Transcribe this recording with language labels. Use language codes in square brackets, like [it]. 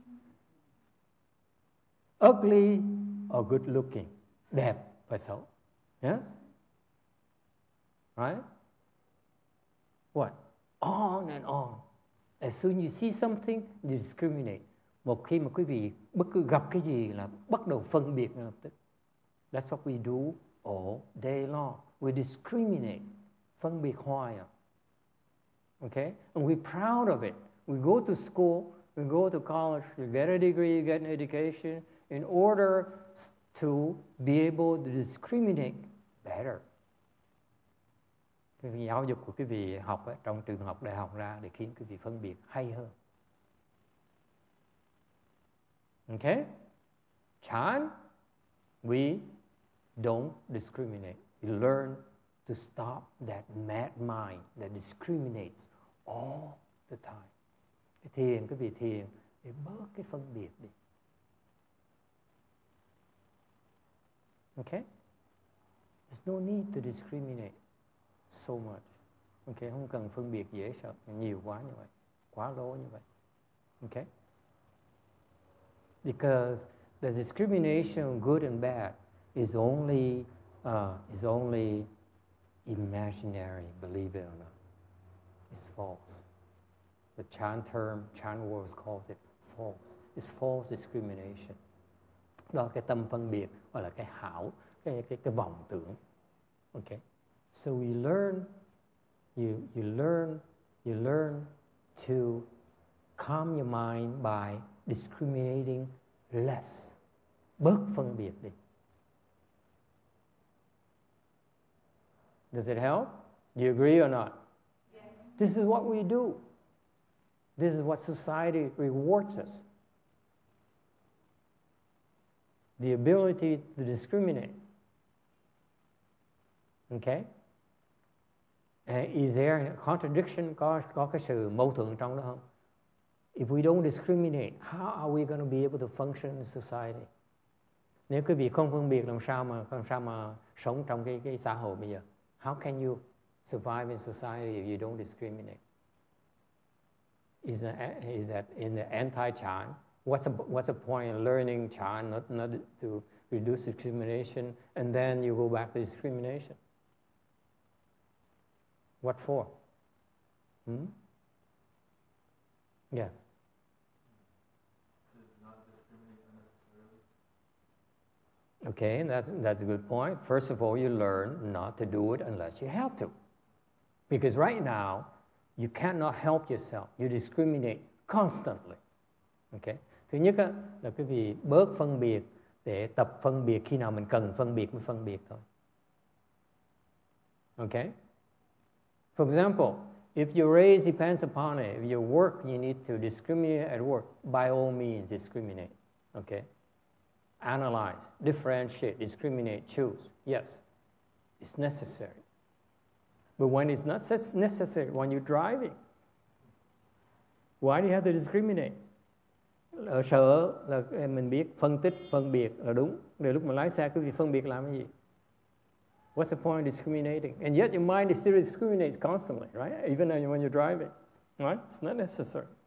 [en] Mm-hmm. Ugly or good looking. [vi] Đẹp và xấu. [en] Yes? Right? What? On and on. As soon as you see something, you discriminate. [vi] Một khi mà quý vị bất cứ gặp cái gì là bắt đầu phân biệt ngay lập tức. [en] That's what we do all day long. We discriminate. [vi] Phân biệt hoài. [en] Okay? And we're proud of it. We go to school, we go to college, you get a degree, you get an education in order to be able to discriminate better. [vi] Cái giáo dục của quý vị học ấy, trong trường học đại học ra để khiến quý vị phân biệt hay hơn. [en] Okay? Chán, we don't discriminate. We learn to stop that mad mind that discriminates all the time. [vi] Cái thiền, quý vị thiền, để bớt cái phân biệt đi. [en] Okay? There's no need to discriminate so much. Okay? [vi] Không cần phân biệt dễ sợ, nhiều quá như vậy, quá lố như vậy. [en] Okay? Because the discrimination of good and bad is only imaginary, believe it or not. It's false. The Chan term, Chan words calls it false. It's false discrimination. [vi] Đó là cái tâm phân biệt, hoặc là cái hảo, cái vọng tưởng. [en] Okay? So we learn, you learn to calm your mind by discriminating less. [vi] Bớt phân biệt đi. [en] Does it help? Do you agree or not? Yes. This is what we do. This is what society rewards us. The ability to discriminate. Okay? And is there a contradiction? [vi] Có cái sự mâu thuẫn trong đó không? [en] If we don't discriminate, how are we going to be able to function in society? [vi] Nếu quý vị không phân biệt, làm sao mà sống trong cái xã hội bây giờ? [en] How can you survive in society if you don't discriminate? Is that in the anti-Chan? What's the point in learning Chan not to reduce discrimination and then you go back to discrimination? What for? Yes. To not discriminate unnecessarily. Okay, that's a good point. First of all, you learn not to do it unless you have to. Because right now, you cannot help yourself. You discriminate constantly. Okay? [vi] Thứ nhất á, là quý vị bớt phân biệt để tập phân biệt khi nào mình cần phân biệt mới phân biệt thôi. [en] Okay? For example, if your race depends upon it, if your work, you need to discriminate at work, by all means, discriminate. Okay? Analyze, differentiate, discriminate, choose. Yes, it's necessary. But when it's not necessary, when you're driving, why do you have to discriminate? [vi] Ở sở là mình biết phân tích, phân biệt là đúng. Để lúc mà lái xe, quý vị phân biệt làm cái gì? [en] What's the point of discriminating? And yet your mind is still discriminates constantly, right? Even when you're driving, right? It's not necessary.